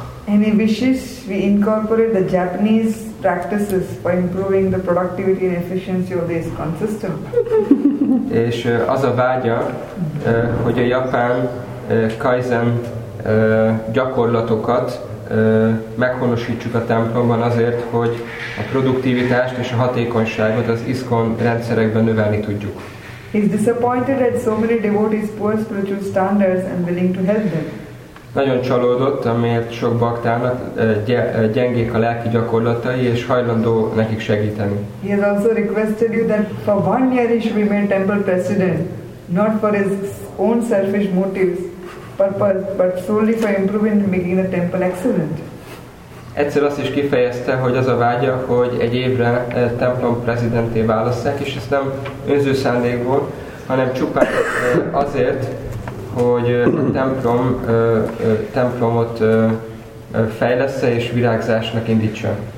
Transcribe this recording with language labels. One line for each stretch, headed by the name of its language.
English: And he wishes we incorporate the Japanese practices for improving the productivity and efficiency of the ISKCON system.
Hungarian: És az a vágya, hogy a japán kaizen gyakorlatokat meghonosítsuk a templomban azért, hogy a produktivitást és a hatékonyságot az ISKCON rendszerekben növelni tudjuk.
English: He's disappointed at so many devotees' poor spiritual standards and willing to help them.
Hungarian: Nagyon csalódott, amiért sok baktának gyengék a lelki gyakorlatai, és hajlandó nekik segíteni.
English: He has also requested you that for one year he should remain temple president, not for his own selfish motives, but solely for improving and making the temple excellent.
Hungarian: Egyszer azt is kifejezte, hogy az a vágya, hogy egy évre templom prezidenté válasszák, és ez nem önző szándékból, hanem csupán azért, hogy a templomot fejlessze és virágzásnak indítsa.